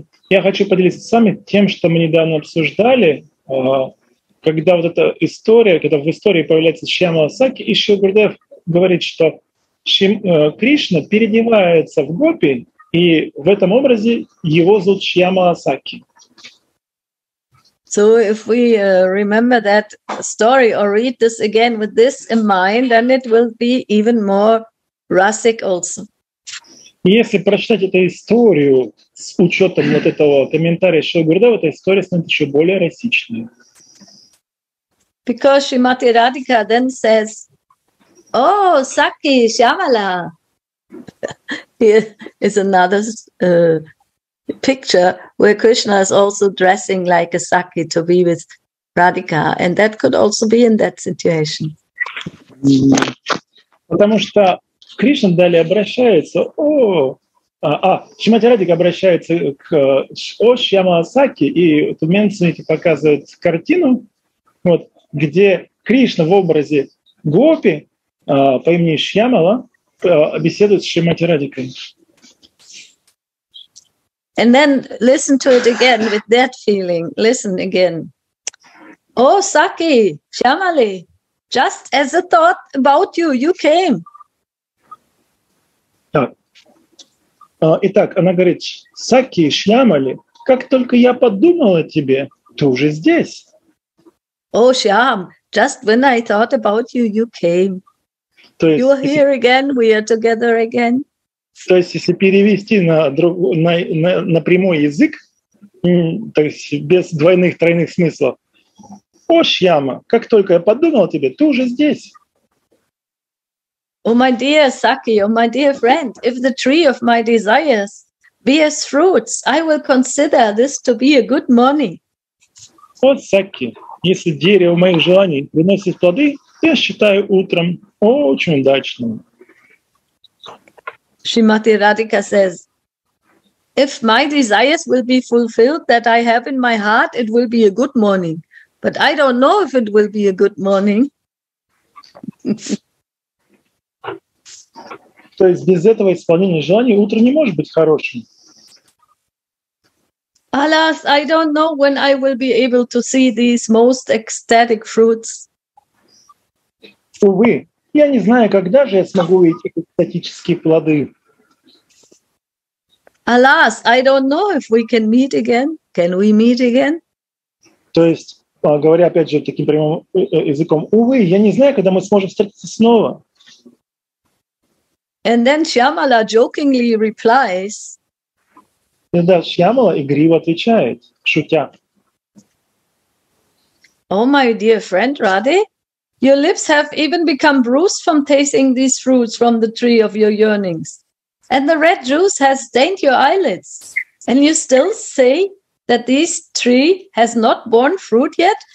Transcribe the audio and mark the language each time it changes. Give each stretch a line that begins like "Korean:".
Russian: Я хочу поделиться с вами тем, что мы недавно обсуждали, когда вот эта история, когда в истории появляется Шьямала Сакхи, и Шри Гурудев говорит, что Кришна переодевается в гопи, и в этом образе его зовут Шьямала Сакхи.
English: So if we remember that story or read this again with this in mind, then it will be even more rustic also.
Russian: Если прочитать эту историю с учетом вот этого комментария Шри Гурудева, эта история станет еще более расичной.
English: Because Shrimati Radhika then says, "Oh, Sakhi Shyamala." Here is another picture where Krishna is also dressing like a Sakhi to be with Radhika, and that could also be in that situation.
Russian: Потому что Кришна далее обращается, Шримати Радика обращается к Шьямала Сакхи, и вот момент, смотрите, показывает картину, вот, где Кришна в образе гопи по имени Шьямала беседует с Шримати Радикой.
English: And then listen to it again with that feeling. Listen again. Oh, Sakhi, Shyamali, just as I thought about you, you came.
Russian: Итак, она говорит, Сакхи, Шьямали, как только я подумала о тебе, ты уже здесь.
English: Oh, Shyam, just when I thought about you, you came.
Russian: То есть,
English: you are here again, we are together again.
Russian: То есть, если перевести на прямой язык, то есть без двойных, тройных смыслов. О, Шьяма, как только я подумала о тебе, ты уже здесь.
English: Oh, my dear Sakhi, oh, my dear friend, if the tree of my desires be as fruits, I will consider this to be a good morning.
Russian: Oh, Sakhi, если дерево моих желаний приносит плоды, я считаю утром очень удачным.
English: Shrimati Radhika says, if my desires will be fulfilled that I have in my heart, it will be a good morning. But I don't know if it will be a good morning.
Russian: То есть без этого исполнения желаний утро не может быть хорошим.
English: Alas, I don't know when I will be able to see these most ecstatic fruits.
Russian: Увы, я не знаю, когда же я смогу увидеть эти экстатические плоды.
English: Alas, I don't know if we can meet again. Can we meet again?
Russian: То есть, говоря опять же таким прямым языком, увы, я не знаю, когда мы сможем встретиться снова.
English: And then Shyamala jokingly replies.
Russian: И да, Шьямала игриво отвечает, шутя.
English: Oh, my dear friend Radhe, your lips have even become bruised from tasting these fruits from the tree of your yearnings. And the red juice has stained your eyelids. And you still say that this tree has not borne fruit yet?